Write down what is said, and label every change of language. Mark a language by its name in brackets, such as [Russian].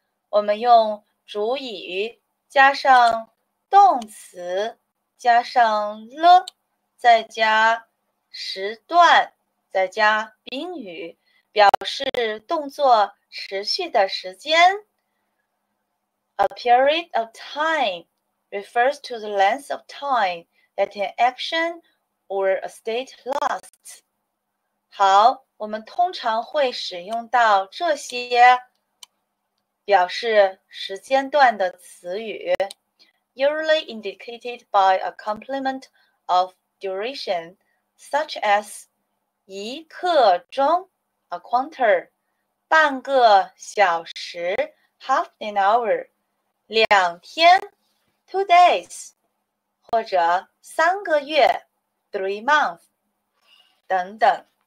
[Chinese] 我们用主语。加上动词，加上了，再加时段，再加宾语，表示动作持续的时间。 [English] A period of time refers to the length of time that an action or a state lasts。 [Chinese] 好，我们通常会使用到这些。表示时间段的词语， [English] usually indicated by a complement of duration, such as [Chinese] 一刻钟 [English] a quarter, [Chinese] 半个小时 [English] half an hour, [Chinese] 两天 [English] two days, [Chinese] 或者三个月 [English] three months, [Chinese] 等等。